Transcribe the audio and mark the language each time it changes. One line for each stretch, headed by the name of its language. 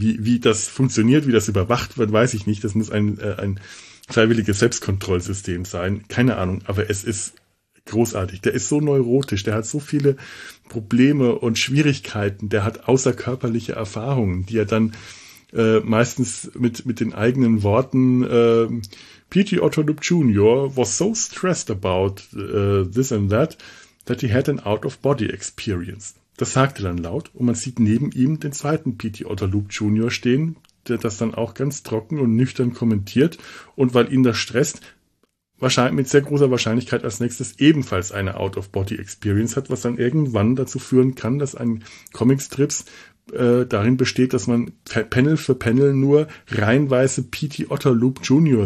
German: Wie das funktioniert, wie das überwacht wird, weiß ich nicht. Das muss ein freiwilliges Selbstkontrollsystem sein. Keine Ahnung, aber es ist großartig. Der ist so neurotisch. Der hat so viele Probleme und Schwierigkeiten. Der hat außerkörperliche Erfahrungen, die er dann meistens mit den eigenen Worten P.T. Otto Loop Jr.
English: was so stressed about this and that, that he had an out-of-body experience.
German: Das sagt er dann laut und man sieht neben ihm den zweiten P.T. Otto Loop Jr. stehen, der das dann auch ganz trocken und nüchtern kommentiert und weil ihn das stresst, wahrscheinlich mit sehr großer Wahrscheinlichkeit als nächstes ebenfalls eine
English: out-of-body experience
German: hat, was dann irgendwann dazu führen kann, dass ein Comicstrips darin besteht, dass man Panel für Panel nur reihenweise P.T. Otterloop Jr.